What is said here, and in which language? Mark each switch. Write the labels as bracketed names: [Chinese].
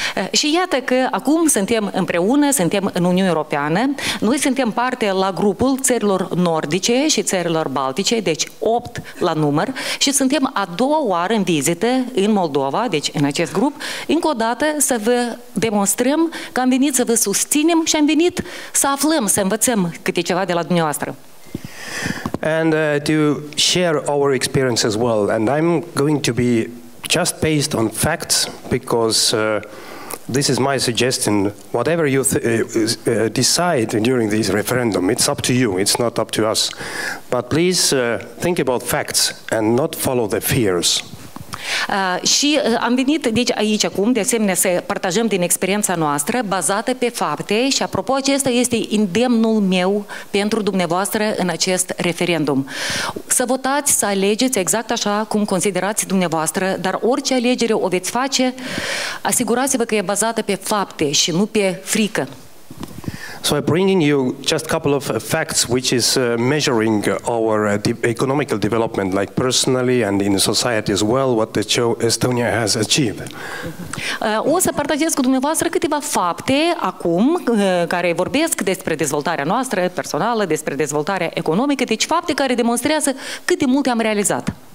[Romanian] Și iată că acum suntem împreună, suntem în Uniunea Europeană, noi suntem parte la grupul țărilor nordice și țărilor baltice, deci 8 la număr, și suntem a doua oară în vizită în Moldova, deci în acest grup, încă o dată să vă demonstrăm că am venit să vă susținem și am venit să aflăm, să învățăm câte ceva de la dumneavoastră. [English] And to share our experience as well. And I'm going to be just based on facts because this is my suggestion. Whatever you decide during this referendum, it's up to you, it's not up to us. But please think about facts and not follow the fears. [Romanian] Și am venit deci aici acum, de asemenea, să partajăm din experiența noastră bazată pe fapte, și apropo, acesta este îndemnul meu pentru dumneavoastră în acest referendum. Să votați, să alegeți exact așa cum considerați dumneavoastră, dar orice alegere o veți face, asigurați-vă că e bazată pe fapte și nu pe frică. [English] So I'm bringing you just a couple of facts which is measuring our economical development, like personally and in society as well, what the Estonia has achieved. [Romanian] O să partajez cu dumneavoastră câteva fapte acum care vorbesc despre dezvoltarea noastră personală, despre dezvoltarea economică, deci fapte care demonstrează cât de mult am realizat.